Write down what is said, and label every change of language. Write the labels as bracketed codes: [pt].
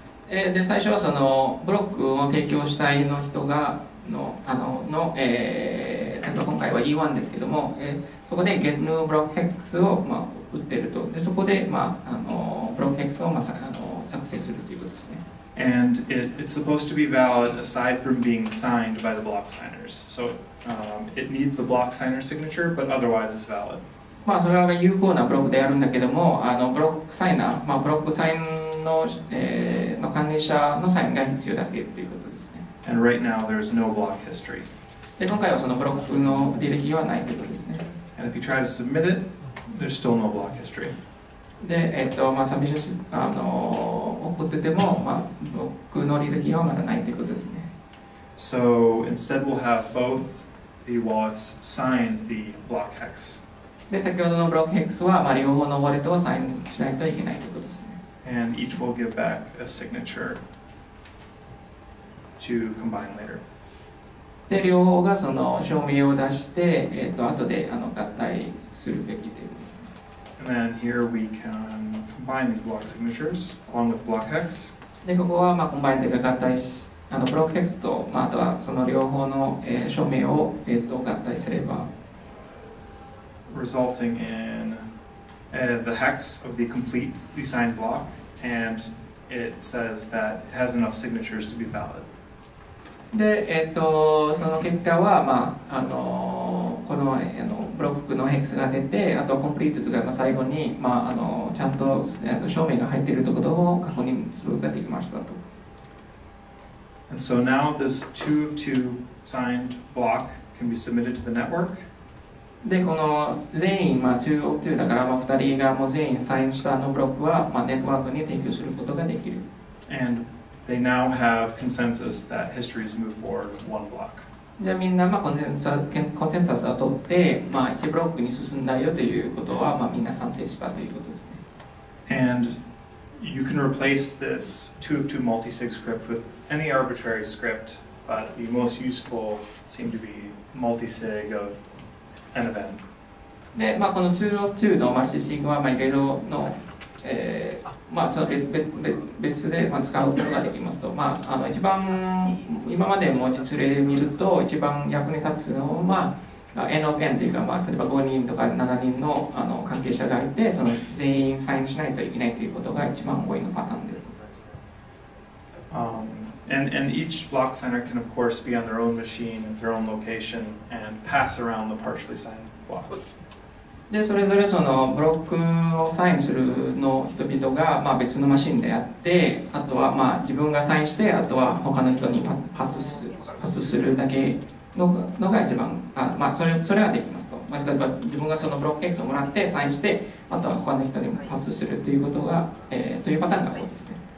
[ja] で最初はそのブロックを提供したいの人がの、今回は E1 ですけども、そこで get new block hex を、まあ、打ってると、でそこで、まあ、ブロックヘックスを、まあ、作成するということですね。 [en] And it's supposed to be valid aside from being signed by the block signers. So, it needs the block signer signature, but otherwise is valid. [ja] まあ、それは有効なブロックであるんだけども、ブロックサイナー、まあ、ブロックサインの、の管理者のサインが必要だけということですね。 [en] And right now, there's no block history. [ja] で今回はそのブロックの履歴はないということですね。 [en] And if you try to submit it, there's still no block history. [ja] で、まあ、サビシャン送ってても、まあ、ブロックの履歴はまだないということですね。 [en] So instead, we'll have both the wallets sign the block hex. [ja] で先ほどのブロックヘックスは、まあ、両方のウォレットをサインしないといけないということですね。 [en] And each will give back a signature to combine later. [ja] で両方がその証明を出して、後で合体するべきということですね。 [en] And then here we can combine these block signatures along with block hex. [ja] でここはまあコンバインというか合体し、ブロックヘックスと、まあ、あとはその両方の、証明を、合体すれば。 [en] Resulting in the hex of the complete signed block, and it says that it has enough signatures to be valid. [ja] で、その結果は、まあ、この、ブロックのヘックスが出て、あとコンプリートが、まあ、最後に、まあ、ちゃんと、証明が入っているということを確認することができましたと。 [en] And so now this 2 of 2 signed block can be submitted to the network. [ja] でこの全員、まあ、2 of 2だから、まあ、2人がもう全員サインしたのブロックは、まあ、ネットワークに提供することができる。 [en] And they now have consensus that history has moved forward one block. [ja] じゃあみんな、まあ、コンセンサスを取って、まあ、1ブロックに進んだよということは、まあ、みんな賛成したということですね。 [en] And you can replace this 2 of 2 multi-sig script with any arbitrary script, but the most useful seem to be multi-sig ofAn event. [ja] で、まあ、この2 of 2のマルチシグはいろいろの、まあ、その 別で使うことができますと、まあ、一番今までも実例で見ると一番役に立つのは、まあ、N of N というか、まあ、例えば5人とか7人 の、 関係者がいてその全員サインしないといけないということが一番多いのパターンです。 [en] And each block signer can of course be on their own machine at their own location and pass around the partially signed blocks. [ja] でそれぞれそのブロックをサインするの人々が、まあ、別のマシンであって、あとはまあ自分がサインして、あとは他の人にパスするだけのが一番、まあ、それはできますと。まあ、例えば自分がそのブロックケースをもらってサインして、あとは他の人にパスするということが、というパターンが多いですね。